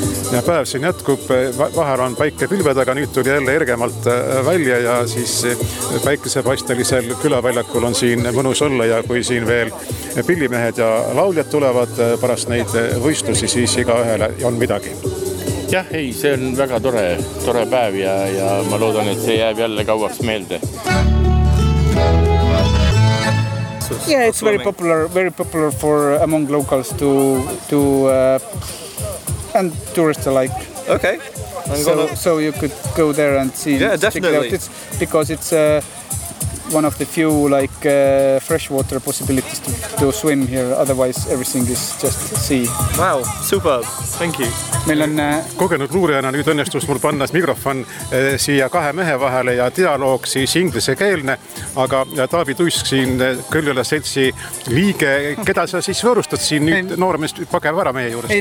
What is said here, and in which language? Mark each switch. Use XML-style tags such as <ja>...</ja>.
<et>Ja päev siin jätkub, vahel on päike pilved, aga nüüd tuli jälle ergemalt välja ja siis päikesepaistelisel külaväljakul on siin mõnus olla ja kui siin veel pillimehed ja lauljad tulevad pärast neid võistlusi, siis iga ühele on midagi. Jah, ei, see on väga tore päev ja ma loodan, et see jääb jälle kauaks meelde.</et> <en>Yeah, it's very popular for among locals and tourists alike. Okay. So you could go there and see. Yeah, definitely. It's one of the few like freshwater possibilities to swim here. Otherwise, everything is just sea. Wow, superb. Thank you.</en> <et>Meil on kogenud luurejana nüüd õnnestus mul panna mikrofon siia kahe mehe vahele ja dialoog siis inglise keelne, aga Taavi Tuisk siin Kõljala seltsi liige, keda sa siis võõrustad siin nüüd nooremest pakev ära meie juures?</et>